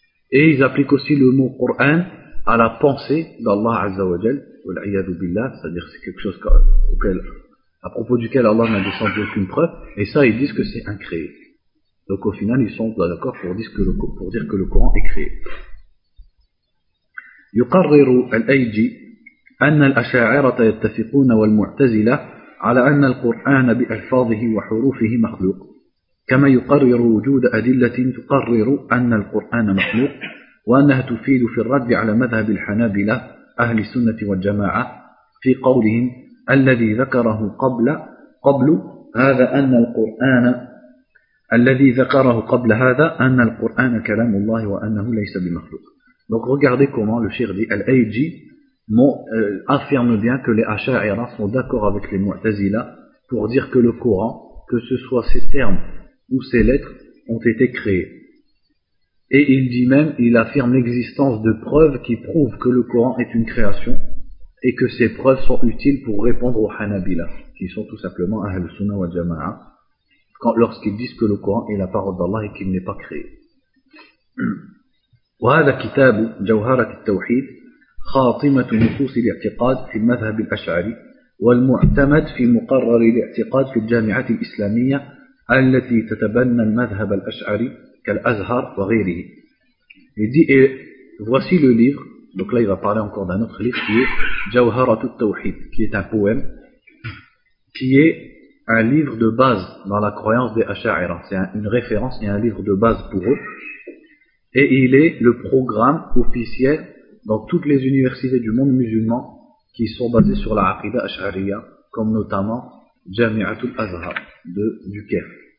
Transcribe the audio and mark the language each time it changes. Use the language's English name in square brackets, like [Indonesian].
[French] Et ils appliquent aussi le mot Coran à la pensée d'Allah [Arabic] Azza wa Jal, wal'iyadu billah, [French] c'est-à-dire c'est quelque chose auquel, à propos duquel Allah n'a descendu aucune preuve, et ça ils disent que c'est incréé. Donc au final ils sont d'accord pour dire que le Coran est créé. [Arabic] يقرر الأيجي أن الأشاعرة يتفقون والمعتزلة على أن القرآن بألفاظه وحروفه مخلوق كما يقرر وجود أدلة تقرر أن القرآن مخلوق وأنها تفيد في الرد على مذهب الحنابلة أهل السنة والجماعة في قولهم الذي ذكره قبل هذا أن القرآن الذي ذكره قبل هذا أن القرآن كلام الله وأنه ليس بمخلوق. [French] Donc regardez comment le shir dit, Al-Ayji affirme bien que les Asha'ira sont d'accord avec les Mu'tazila pour dire que le Coran, que ce soit ses termes ou ses lettres, ont été créés. Et il dit même, il affirme l'existence de preuves qui prouvent que le Coran est une création et que ces preuves sont utiles pour répondre aux Hanabila, qui sont tout simplement Ahl Sunnah wa Jama'a, lorsqu'ils disent que le Coran est la parole d'Allah et qu'il n'est pas créé. [Arabic] وهذا كتاب جوهرة التوحيد خاطمة نصوص الاعتقاد في المذهب الأشعري والمعتمد في مقرر الاعتقاد في الجامعات الإسلامية التي تتبنى المذهب الأشعري كالأزهر وغيره. [French] Il dit, et voici le livre, donc là il va parler encore d'un autre livre qui est جوهرة التوحيد, qui est un poème, qui est un livre de base dans la croyance des Asha'ira, c'est une référence et un livre de base pour eux. Et il est le programme officiel dans toutes les universités du monde musulman qui sont basées sur la Aqidah Ash'ariya, comme notamment Jami'atul Azhar du Caire.